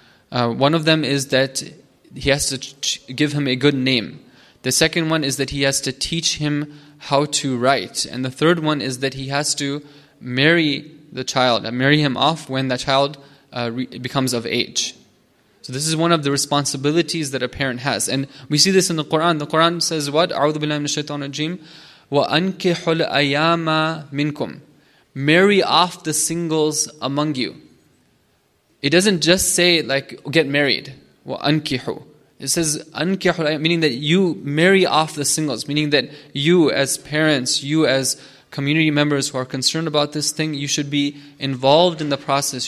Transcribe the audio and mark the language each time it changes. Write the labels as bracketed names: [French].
[English] One of them is that he has to give him a good name. The second one is that he has to teach him how to write. And the third one is that he has to marry the child, and marry him off when that child becomes of age. So this is one of the responsibilities that a parent has. And we see this in the Quran. The Quran says what? [Arabic] أعوذ بالله من الشيطان الرجيم وَأَنْكِحُ الْأَيَامَ مِنْكُمْ. [English] Marry off the singles among you. It doesn't just say like get married. [Arabic] وَأَنْكِحُ. [English] It says [Arabic] أَنْكِحُ الْأَيَامَ, [English] meaning that you marry off the singles, meaning that you as parents, you as community members who are concerned about this thing, you should be involved in the process.